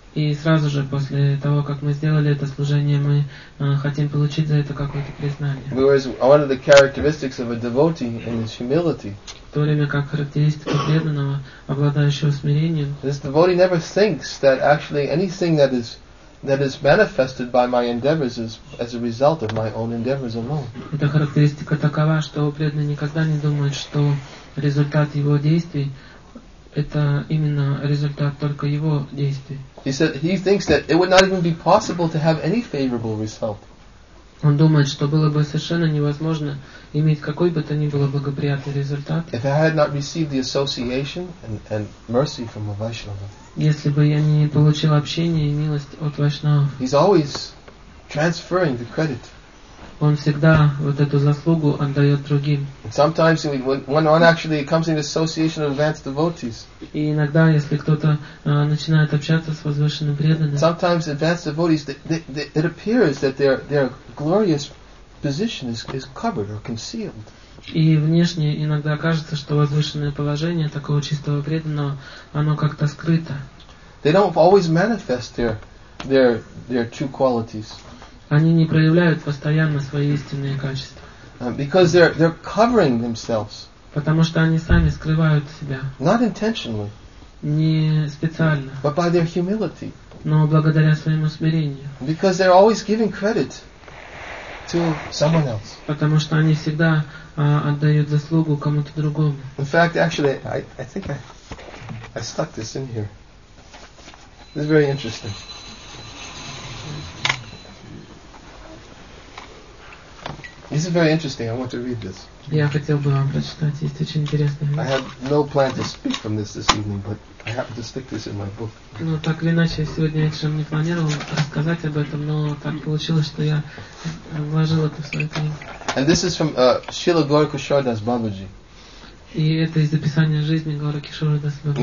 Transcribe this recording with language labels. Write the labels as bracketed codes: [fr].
[ru] И сразу же после того, как мы сделали это служение, мы хотим получить за это какое-то признание. [en] Whereas one of the characteristics of a devotee is humility. [ru] В то время как характеристика преданного, обладающего смирением. [en] This devotee never thinks that actually anything that is manifested by my endeavors is as a result of my own endeavors alone. [ru] Эта характеристика такова, что преданный никогда не думает, что результат его действий это именно результат только его действий. [en] He thinks that it would not even be possible to have any favorable result. [ru] Он думает, что было бы совершенно невозможно иметь какой бы то ни было благоприятный результат. [en] If I had not received the association and mercy from a Vaishnava. [ru] Если бы я не получил общение и милость от Вайшнавов. [en] He's always transferring the credit. [ru] Он всегда вот эту заслугу отдает другим. [en] And sometimes when one actually comes into association of advanced devotees. [ru] И иногда, если кто-то начинает общаться с возвышенным преданным. [en] Sometimes advanced devotees, it appears that their glorious position is covered or concealed. [ru] И внешне иногда кажется, что возвышенное положение такого чистого преданного, оно как-то скрыто. [en] They don't always manifest their true qualities. [ru] Они не проявляют постоянно свои истинные качества. [en] Because they're covering themselves. [ru] Потому что они сами скрывают себя. [en] Not intentionally. [ru] Не специально. [en] But by their humility. [ru] Но благодаря своему смирению. [en] Because they're always giving credit to someone else. [ru] Потому что они всегда отдают заслугу кому-то другому. [en] In fact, actually, I think I stuck this in here. This is very interesting. This is very interesting. I want to read this. [ru] Я хотел бы вам прочитать. Есть очень интересная вещь. [en] I have no plan to speak from this evening, but I happen to stick this in my book. [ru] Ну, так или иначе, я сегодня вечером не планировал рассказать об этом, но так получилось, что я вложил это в свою книгу. [en] And this is from Srila Gaurakishordas Babaji. [ru] И это из описания жизни Гаурикишордас Бабаджи.